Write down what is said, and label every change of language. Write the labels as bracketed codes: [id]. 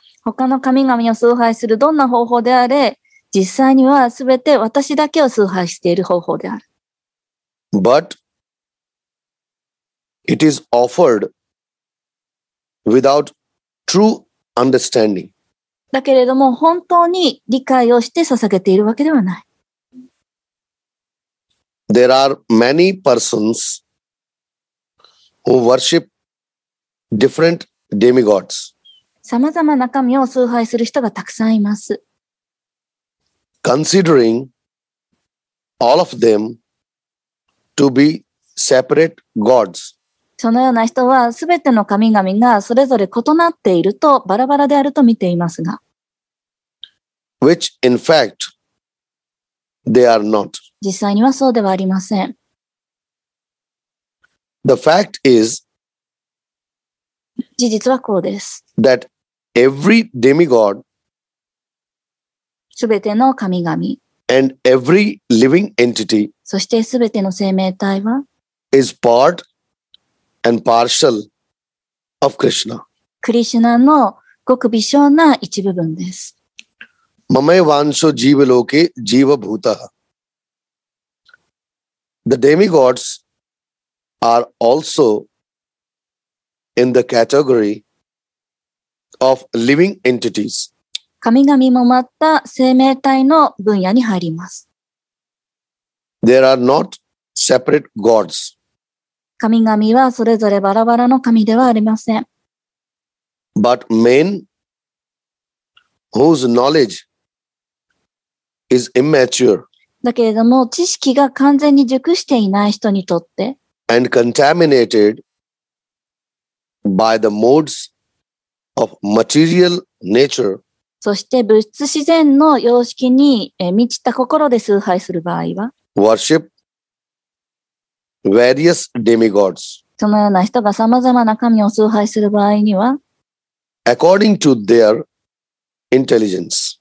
[ja] 他の神々を崇拝するどんな方法であれ、実際にはすべて私だけを崇拝している方法である。 [en] But it is offered without true understanding. [ja] だけれども本当に理解をして捧げているわけではない。 [en] There are many persons who worship different demigods. [ja] さまざまな神を崇拝する人がたくさんいます。 [en] Considering all of them to be separate gods. [ja] そのような人は全ての神々がそれぞれ異なっていると、バラバラであると見ていますが。 [en] Which in fact they are not. [ja] 実際にはそうではありません。 [en] The fact is, [ja] 事実はこうです。 [en] That every demigod [ja] すべての神々。 [en] And every living entity. [ja] そしてすべての生命体は。 [en] is part and partial of Krishna. [ja] クリシュナのごく微小な一部分です。 [sa] ママイワンショジーヴロケジーヴァブータ。 [en] The demigods are also in the category of living entities. [ja] 神々もまた生命体の分野に入ります。 [en] There are not separate gods. [ja] 神々はそれぞれバラバラの神ではありません。 [en] But men whose knowledge is immature. [ja] だけれども知識が完全に熟していない人にとって。 [en] And contaminated by the modes of material nature. [ja] そして物質自然の様式に満ちた心で崇拝する場合は、 [en] Worship various demigods. [ja] そのような人がさまざまな神を崇拝する場合には、 [en] According to their intelligence.